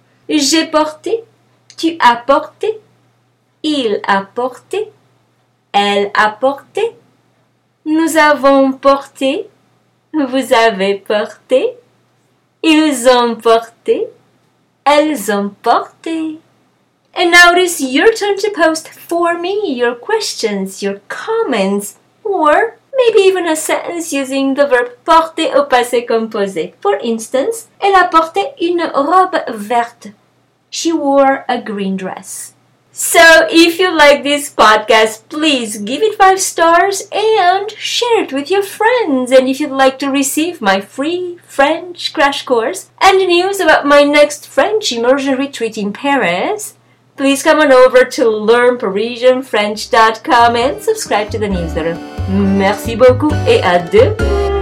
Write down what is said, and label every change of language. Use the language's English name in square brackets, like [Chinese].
[French] J'ai porté, tu as porté, il a porté, elle a porté. Nous avons porté, vous avez porté, ils ont porté, elles ont porté. [English] And now it is your turn to post for me your questions, your comments, or maybe even a sentence using the verb porter au passé composé. For instance, [French] elle a porté une robe verte. [English] She wore a green dress. So if you like this podcast, please give it 5 stars and share it with your friends. And if you'd like to receive my free French crash course and news about my next French immersion retreat in Paris, please come on over to learnparisianfrench.com and subscribe to the newsletter. [French] Merci beaucoup et à demain!